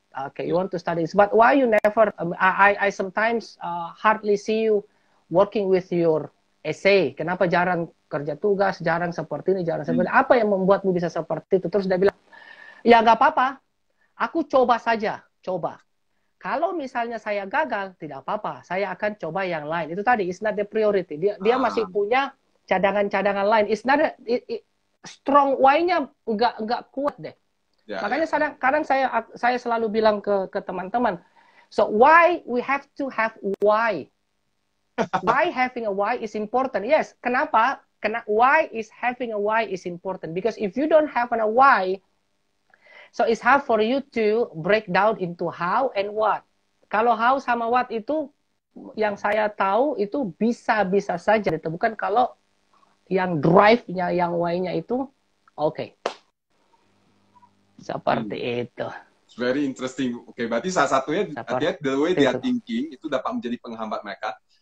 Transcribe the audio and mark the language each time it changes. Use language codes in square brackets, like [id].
[en] Okay, you want to study English, but why you never, I sometimes hardly see you working with your essay. [id] Kenapa jarang kerja tugas, jarang seperti ini, jarang seperti apa yang membuatmu bisa seperti itu? Terus dia bilang, ya nggak apa-apa, aku coba saja, coba. Kalau misalnya saya gagal, tidak apa-apa, saya akan coba yang lain. Itu tadi, [en] it's not the priority. [id] Dia masih punya cadangan-cadangan lain. [en] It's not, [id] strong why-nya nggak kuat deh. Yeah, makanya kadang saya selalu bilang ke teman-teman, [en] so why we have to have why? Why having a why is important? Yes, kenapa? Why is having a why is important? Because if you don't have a why, so it's hard for you to break down into how and what. [id] Kalau how sama what itu, yang saya tahu itu bisa-bisa saja ditemukan kalau yang drive-nya, yang why-nya itu, okay. Seperti itu. [en] It's very interesting. [id] Oke, okay, berarti salah satunya [en] the way they are thinking [id] itu dapat menjadi penghambat mereka.